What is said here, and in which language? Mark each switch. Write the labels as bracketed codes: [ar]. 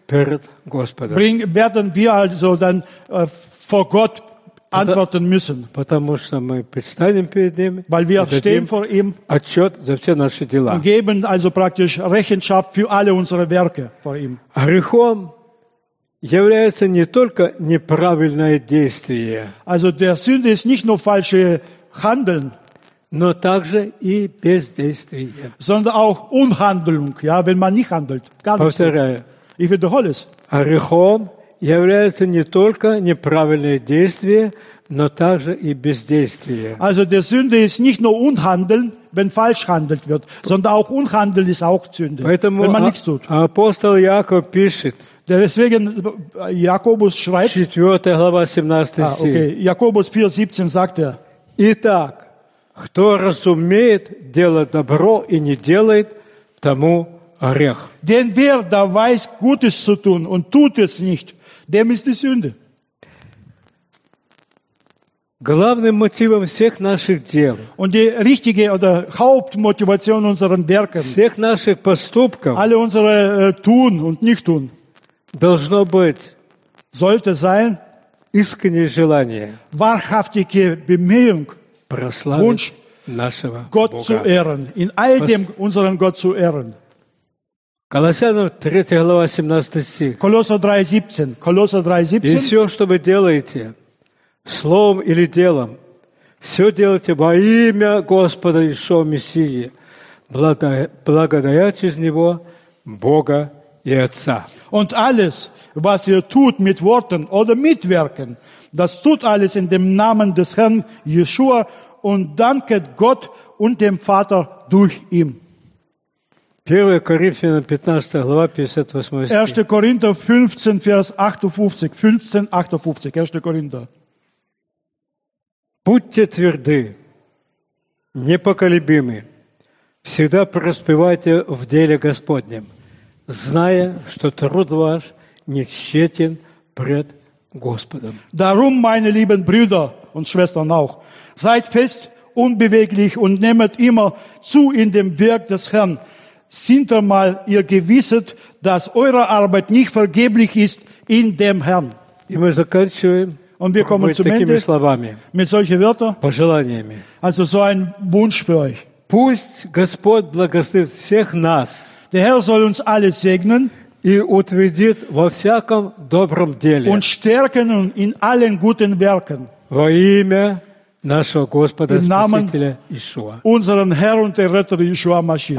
[de] Werden wir also dann vor Gott antworten müssen. Weil wir stehen vor ihm und geben also praktisch Rechenschaft für alle unsere Werke vor ihm. [ru] Грехом является не только неправильное действие, [de] also der Sünde ist nicht nur falsche Handeln, [ru] но также и бездействие, [de] sondern auch Unhandlung, ja, wenn man nicht handelt. Ich wiederhole es. [ru] Грехом является не только неправильное действие, но также и бездействие. [de] Also der Sünde ist nicht nur Unhandeln, wenn falsch handelt wird, sondern auch Unhandeln ist auch Sünde, [ru] поэтому [de] wenn man nichts tut. [ru] Апостол Яков пишет. [de] Deswegen Jakobus schreibt. [ru] 4. глава 17 стих. [de] Okay. Jakobus 4, 17 sagt er. [ru] Итак, кто разумеет делать добро и не делает, тому грех. [de] Denn wer da weiß, Gutes zu tun und tut es nicht, dem ist die Sünde. [ru] Главным мотивом всех наших дел, [de] und die richtige oder Hauptmotivation unseren Werken, [ru] всех наших поступков, [de] alle unsere tun und nicht tun, [ru] должно быть, [de] sollte sein, [ru] искреннее желание, [de] wahrhaftige Bemühung, Wunsch, [ru] нашего [de] Gott [ru] Бога. [de] Zu ehren, in all dem unseren Gott zu ehren. [ru] Колоссянам 3 глава 17 стих. Колоссянам 3:17. И все, что вы делаете, словом или делом, все делайте во имя Господа Иисуса Мессии, благодаря через Него Бога и Отца. [de] Und alles, was ihr tut mit Worten oder mit Werken, das tut alles in dem Namen des Herrn Jeshua und danket Gott und dem Vater durch ihn. [ru] 1 Коринфянам 15 глава 58 стих. [de] 1 Коринфянам 15, Vers 58. [ru] 15, 58. 1 Коринфянам. Будьте тверды, непоколебимы, всегда преуспевайте в деле Господнем, зная, что труд ваш не тщетен пред Господом. [de] Darum, meine lieben Brüder und Schwestern auch, seid fest unbeweglich und nehmet immer zu in dem Werk des Herrn. Sind einmal ihr gewisset, dass eure Arbeit nicht vergeblich ist in dem Herrn. Und wir kommen zum Ende mit solchen Wörtern, also so ein Wunsch für euch. [ru] Пусть Господь благословит всех нас. [de] Der Herr soll uns alle segnen. [ru] И утвердит во всяком добром деле. [de] Und stärken in allen guten Werken. [ru] Во имя нашего Господа и Спасителя Иешуа. [de] Unseren Herrn und Erretter Иешуа Машиах.